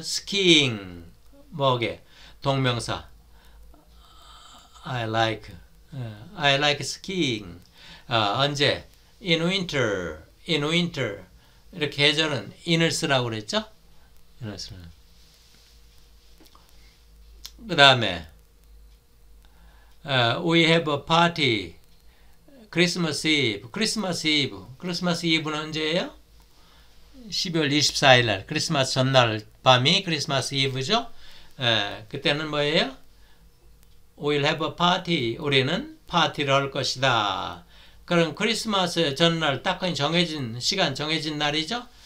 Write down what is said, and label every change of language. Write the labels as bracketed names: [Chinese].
[Korean] Skiing 뭐게 동명사. [English] I like skiing. 언제? In winter. In winter. [Korean] 이렇게 계절은 in을 쓰라고 그랬죠. 인을 쓰라. 그 다음에 [English] we have a party. Christmas Eve. [Korean] Christmas Eve는 언제예요? 12월 24일 날. 크리스마스 전날 밤이 크리스마스 이브죠. 그때는 뭐예요? [English] We'll have a party. [Korean] 우리는 파티를 할 것이다. 그럼 크리스마스 전날 딱 정해진 시간, 정해진 날이죠.